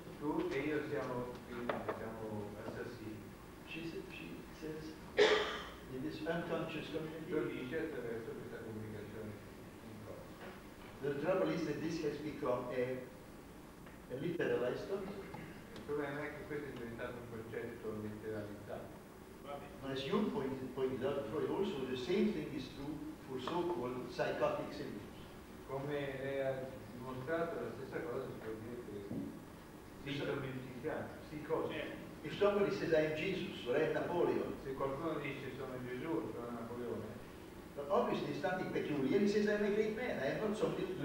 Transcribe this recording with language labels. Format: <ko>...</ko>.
<it>Tu e io siamo assassini.</it> <en>She says in this unconscious communication. The trouble is that this has become a literalized topic.</en> <it>Il problema è che questo è diventato un concetto letteralizzato.</it> <en>But as Jung pointed out, Freud also, the same thing is true for so-called psychotic symptoms.</en> <it>Come ha dimostrato la stessa cosa, si può dire che sintomi psicotici.</it> <en>If somebody says, I am Jesus, or I am Napoleon.</en> <it>Se qualcuno dice, sono Gesù, sono Napoleone.</it> <en>But obviously it's nothing peculiar. He says, I am a great man. I am not something to</en>